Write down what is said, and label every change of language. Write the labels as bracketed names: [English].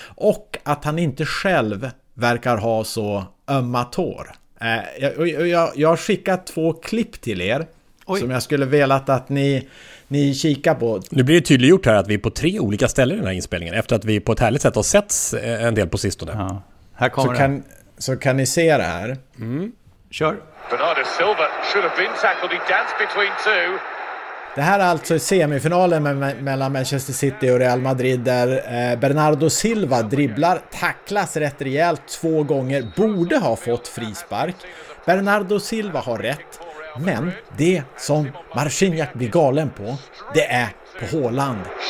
[Swedish] Och att han inte själv verkar ha så ömma tår. Jag har skickat två klipp till er. Oj. Som jag skulle velat att ni kikar på. Nu blir det tydliggjort här att vi är på tre olika ställen i den här inspelningen, efter att vi på ett härligt sätt har setts en del på sistone. Ja. Här kommer så, kan ni se det här. Mm. Kör. [English] Bernardo Silva should have been tackled. He danced between two. [Swedish] Det här är alltså semifinalen mellan Manchester City och Real Madrid, där Bernardo Silva dribblar, tacklas rätt rejält två gånger, borde ha fått frispark. Bernardo Silva har rätt, men det som Marciniak blir galen på, det är på Haaland.